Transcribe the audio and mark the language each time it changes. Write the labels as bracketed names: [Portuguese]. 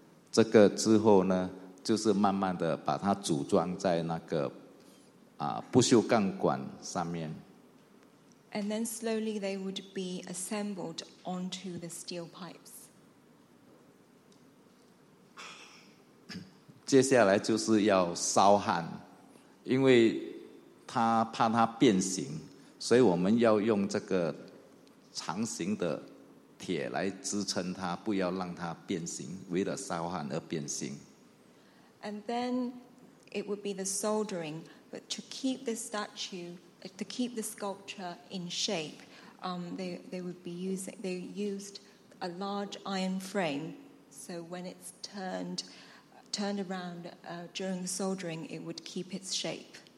[Chinese] 这个之后呢就是慢慢的把它组装在那个不锈钢管上面。 [English] And then slowly they would be assembled onto the steel pipes. [Chinese] 接下来就是要烧焊，因为他怕它变形，所以我们要用这个长形的铁来支撑它，不要让它变形，为了烧焊而变形。 [English] And then it would be the soldering, but to keep the statue, to keep the sculpture in shape, they used a large iron frame, so when it's turned around during the soldering, it would keep its shape.